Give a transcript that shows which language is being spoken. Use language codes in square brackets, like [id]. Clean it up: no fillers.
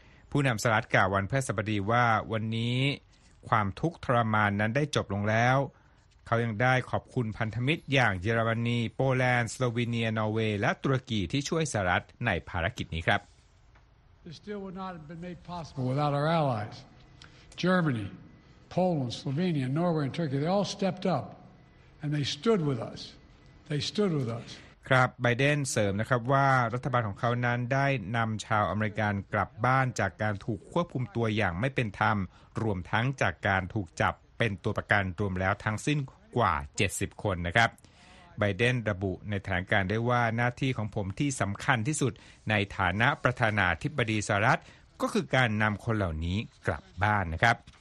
[th] ผู้นำสหรัฐกล่าววันพฤหัสบดีว่าวันนี้ความทุกข์ทรมานนั้นได้จบลงแล้วเขายังได้ขอบคุณพันธมิตรอย่างเยอรมนีโปแลนด์สโลวีเนียนอร์เวย์และตุรกีที่ช่วยสหรัฐในภารกิจนี้ครับ [en] This deal would not have been made possible without our allies. Germany, Poland, Slovenia, Norway and Turkey, they all stepped up and they stood with us. They stood with us. [th] ครับไบเดนเสริมนะครับว่ารัฐบาลของเขานั้นได้นำชาวอเมริกันกลับบ้านจากการถูกควบคุมตัวอย่างไม่เป็นธรรมรวมทั้งจากการถูกจับเป็นตัวประกันรวมแล้วทั้งสิ้นกว่า70คนนะครับไบเดนระบุในแถลงการณ์ได้ว่าหน้าที่ของผมที่สำคัญที่สุดในฐานะประธานาธิบดีสหรัฐก็คือการนำคนเหล่านี้กลับบ้านนะครับ